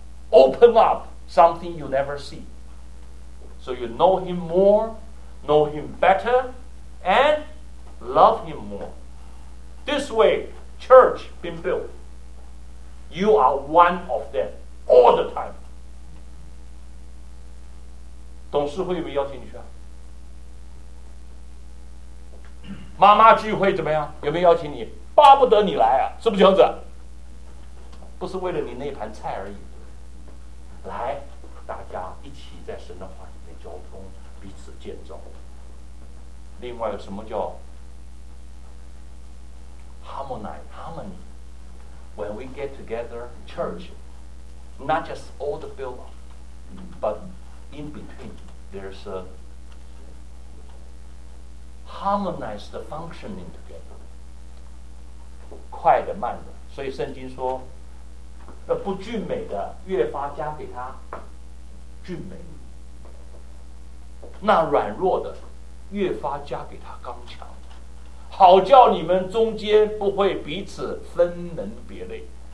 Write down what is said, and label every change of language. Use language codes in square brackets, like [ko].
[en] Open up something you never see. So you know him more, know him better, and love him more. This way, church been built. You are one of them all the time. [zh] 董事会有没有邀请你去啊? 爸妈聚会怎么样？有没有邀请你？巴不得你来啊，是不是这样子？不是为了你那盘菜而已。来，大家一起在神的话里面交通，彼此建造。另外，什么叫 harmony？ [en] When we get together, church, not just all the building, but in between, there's a harmonized functioning together. [zh] 快的，慢的，所以圣经说，那不俊美的越发加给他俊美，那软弱的越发加给他刚强，好叫你们中间不会彼此分门别类。